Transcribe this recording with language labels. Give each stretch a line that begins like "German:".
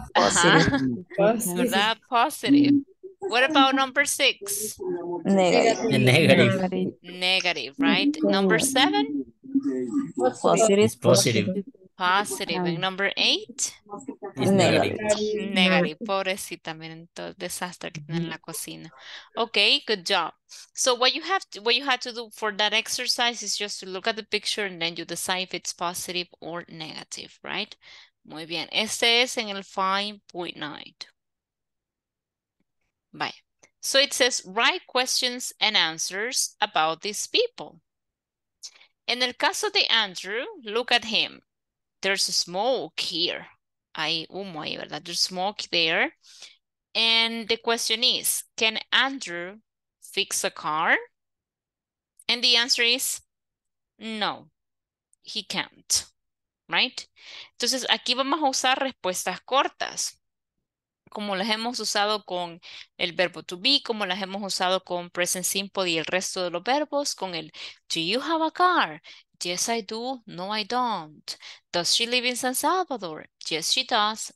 English: Positive.
Spanish: ¿Verdad?
English: Positive. What about number six? Negative. Negative. Negative, right? Number seven? Positive. Positive. Positive. And number eight? Negative. Negative.
Spanish: Pobrecita, miren todo el desastre que tiene en la cocina.
English: Okay, good job. So what you had to do for that exercise is just to look at the picture and then you decide if it's positive or negative, right?
Spanish: Muy bien. Este es en el 5.9.
English: Bye. So it says, write questions and answers about these people. In
Spanish: el caso de
English: Andrew, look at him. There's smoke here.
Spanish: Hay humo ahí, ¿verdad?
English: There's smoke there. And the question is, can Andrew fix a car? And the answer is, no, he can't, right?
Spanish: Entonces, aquí vamos a usar respuestas cortas, como las hemos usado con el verbo to be, como las hemos usado con present simple y el resto de los verbos, con el,
English: do you have a car? Yes, I do. No, I don't. Does she live in San Salvador? Yes, she does.